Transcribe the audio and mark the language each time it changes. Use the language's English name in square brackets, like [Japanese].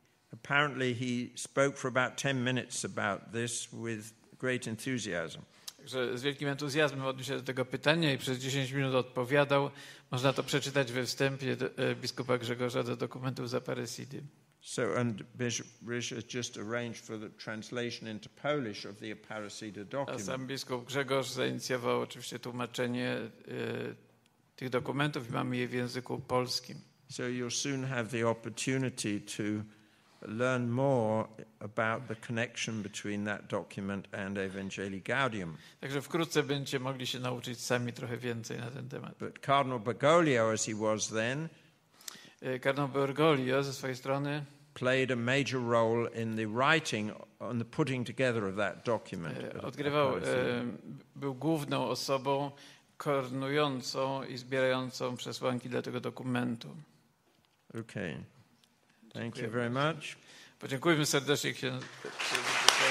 [English] Apparently he spoke for about 10 minutes about this with great enthusiasm. [Polish] Że z wielkim entuzjazmem odniósł się do tego pytania i przez 10 minut odpowiadał. Można to przeczytać we wstępie biskupa Grzegorza do dokumentów z Aparecidy. [English] So and Bishop Rich has just arranged for the translation into Polish of the Aparecida document. [Polish] A sam biskup Grzegorz zainicjował oczywiście tłumaczenie tych dokumentów i mamy je w języku polskim. [English] So you'll soon have the opportunity to learn more about the connection between that document and Evangelii Gaudium. [Polish] Także wkrótce będziecie mogli się nauczyć sami trochę więcej na ten temat. [English] But Cardinal Bergoglio, as he was then, [Polish] Kardynał Bergoglio ze swojej strony [English] played a major role in the writing and the putting together of that document. [Polish] Odgrywał, był główną osobą koordynującą i zbierającą przesłanki dla tego dokumentu. [English] Okay. Thank you very much. [Polish] Podziękujemy serdecznie księdzu.